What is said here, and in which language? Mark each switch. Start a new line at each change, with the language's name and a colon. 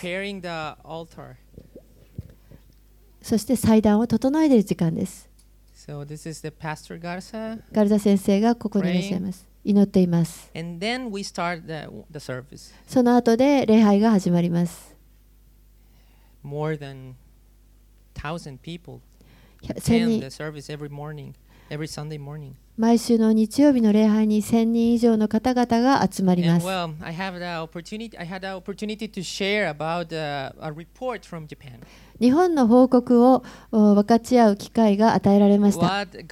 English: プレパリングザアルター
Japanese: 、そして祭壇を整えている時間です。
English: So this is the Pastor Garza.
Japanese: ガルザ先生がここにいらっしゃいます。祈っています。
English: And then we start the service.
Japanese: その後で礼拝が始まります。
English: More than 1,000 people attend the service every morning, every Sunday morning.
Japanese: 毎週の日曜日の礼拝に1000人以上の方々が集まります。
English: And well, I had the opportunity to share about a report from Japan.
Japanese: 日本の報告を分かち合う機会が与えられました。